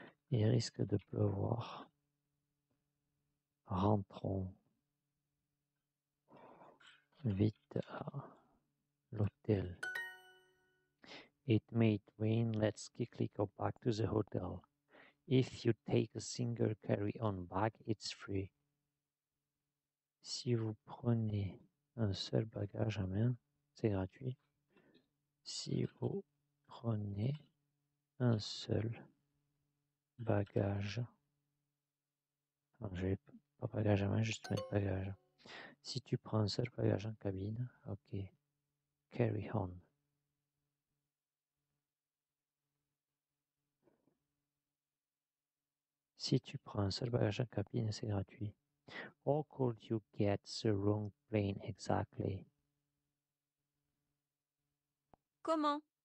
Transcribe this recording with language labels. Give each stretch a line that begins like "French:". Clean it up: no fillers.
French: Il risque de pleuvoir. Rentrons vite à l'hôtel.
English: It may rain, let's quickly go back to the hotel. If you take a single carry-on bag, it's free.
French: Si vous prenez un seul bagage à main, c'est gratuit. Si vous prenez un seul bagage. Non, je vais pas bagage à main, juste mettre bagage. Si tu prends un seul bagage en cabine, ok.
English: Carry on.
French: Si tu prends un seul bagage en cabine, c'est gratuit.
English: How could you get the wrong plane exactly?
French: Comment?